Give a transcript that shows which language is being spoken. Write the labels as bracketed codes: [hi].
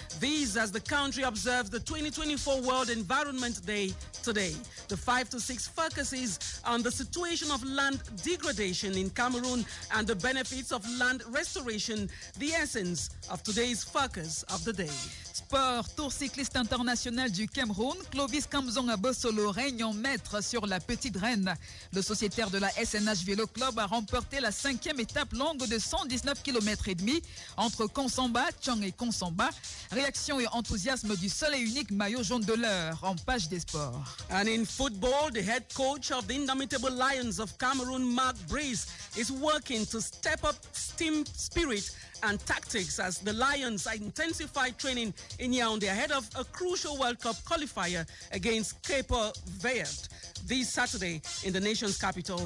[en] These as the country observes the 2024 World Environment Day today. The 5 to 6 focuses on the situation of land degradation in Cameroon and the benefits of land restoration. The essence of today's focus of the day. [fr] Sport, Tour cycliste international du Cameroun, Clovis Kamzong Abosolo règne en maître sur la petite reine. Le sociétaire de la SNH Vélo Club a remporté la cinquième étape longue de 119,5 km entre Consamba, Tchang et Consamba. Réaction et enthousiasme du seul et unique maillot jaune de l'heure en page des sports. [en] And in football, the head coach of the Indomitable Lions of Cameroon, Mark Breeze, is working to step up team spirit and tactics as the Lions intensify training in Yaoundé ahead of a crucial World Cup qualifier against Cape Verde this Saturday in the nation's capital.